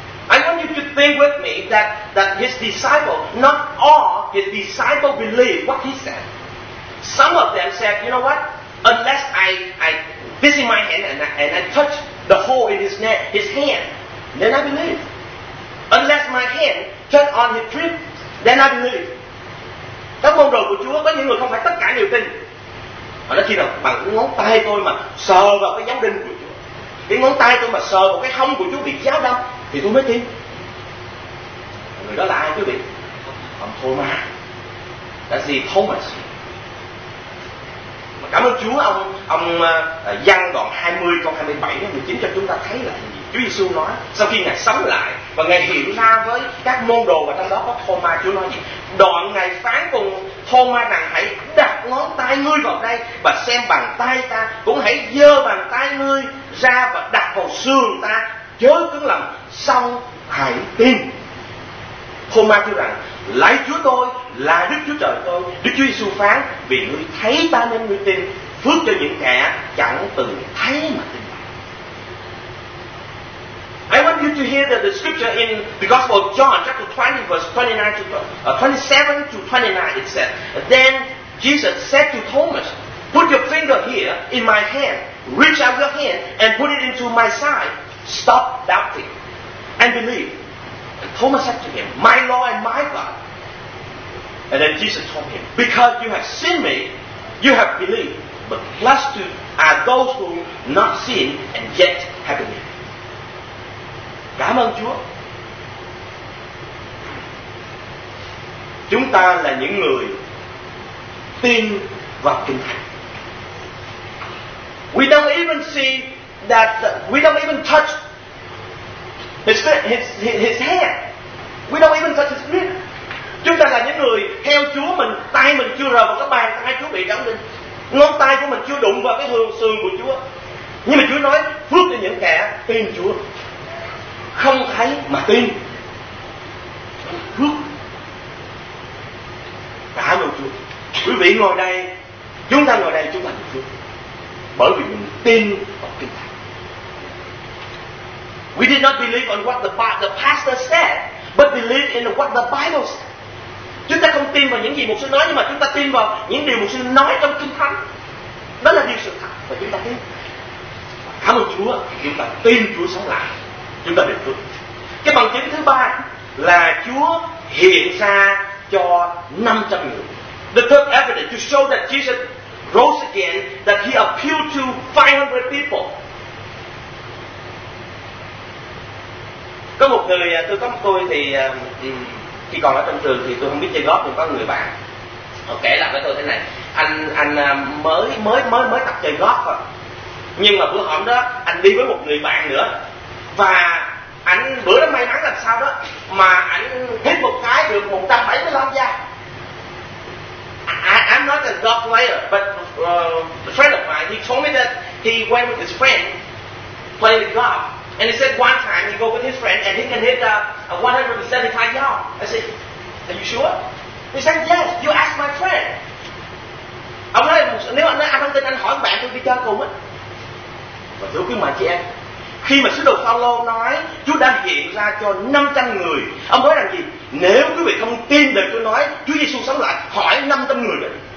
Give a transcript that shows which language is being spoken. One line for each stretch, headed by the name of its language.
English: I want you to think with me that his disciples, not all his disciples believe what he said. Some of them said, you know what? Unless I this in my hand and I touch the hole in his hand, then I believe. Unless my hand touch on his trip, then I believe.
Vietnamese: Các môn đồ của Chúa có những người không phải tất cả đều tin. Họ nói khi nào bằng ngón tay tôi mà sờ vào cái dấu đinh của Chúa, cái ngón tay tôi mà sờ vào cái hông của Chúa bị chéo đâm, thì tôi mới tin. Người đó là ai quý vị? Ông Thomas. Là gì Thomas? Mà cảm ơn Chúa, ông Giăng đoạn 20 câu 27 đến 19 cho chúng ta thấy là gì? Chúa Giêsu nói sau khi Ngài sống lại và Ngài hiện ra với các môn đồ và trong đó có Thomas, Chúa nói gì? Đoạn Ngài phán cùng Thomas rằng: hãy đặt ngón tay ngươi vào đây và xem bàn tay ta, cũng hãy giơ bàn tay ngươi ra và đặt vào xương ta, chớ cứng lòng, xong hãy tin. Thomas kêu rằng: lạy Chúa tôi, là Đức Chúa Trời tôi. Đức Chúa Giêsu phán: vì ngươi thấy ta nên ngươi tin, phước cho những kẻ chẳng từng thấy mà tin.
English: I want you to hear the scripture in the Gospel of John chapter 20 verse 27 to 29. It says, then Jesus said to Thomas, put your finger here in my hand, reach out your hand and put it into my side. Stop doubting and believe. And Thomas said to him, my Lord and my God. And then Jesus told him, because you have seen me, you have believed. But blessed are those who not seen and yet have believed.
Vietnamese: Cảm ơn Chúa. Chúng ta là những người tin vào Kinh Thánh.
English: We don't even see that, we don't even touch his hand. We don't even touch his feet.
Vietnamese: Chúng ta là những người theo Chúa, mình tay mình chưa rờ vào cái bàn tay Chúa bị đóng đinh. Ngón tay của mình chưa đụng vào cái hương xương của Chúa. Nhưng mà Chúa nói phước cho những kẻ tin Chúa. Không thấy mà tin. Phước. Cảm ơn Chúa. Quý vị ngồi đây, chúng ta ngồi đây chúng ta được phước. Bởi vì mình tin vào Kinh Thánh.
English: We did not believe on what the pastor said, but believe in what the Bible said.
Vietnamese: Chúng ta không tin vào những gì mục sư nói, nhưng mà chúng ta tin vào những điều mục sư nói trong Kinh Thánh. Đó là điều sự thật và chúng ta tin. Cảm ơn Chúa, chúng ta tin Chúa sống lại, chúng ta được phước. Cái bằng chứng thứ ba là Chúa hiện ra cho 500 người.
English: The third evidence to show that Jesus rose again, that he appealed to 500 people.
Vietnamese: Có một người, tôi có một tôi thì khi còn ở trong trường thì tôi không biết chơi golf, nhưng có một người bạn họ kể lại với tôi thế này: anh mới tập chơi golf rồi, nhưng mà bữa hôm đó anh đi với một người bạn nữa, và anh bữa đó may mắn làm sao đó mà anh hit một cái được 175 da.
English: I'm not a golf player, but a friend of mine, he told me that he went with his friend playing the golf. And he said one time he go with his friend and he can hit 175 yards. I said, are you sure? He said, yes, you ask my friend.
Vietnamese: Ông nói, nếu anh nói anh không tin, anh hỏi bạn tôi đi chơi cùng á. Và thưa quý mà chị em, khi mà sứ đồ Phao-lô nói Chúa đã hiện ra cho 500 người, ông nói rằng gì? Nếu quý vị không tin lời tôi nói, Chúa Giêsu sống lại, hỏi 500 người đấy.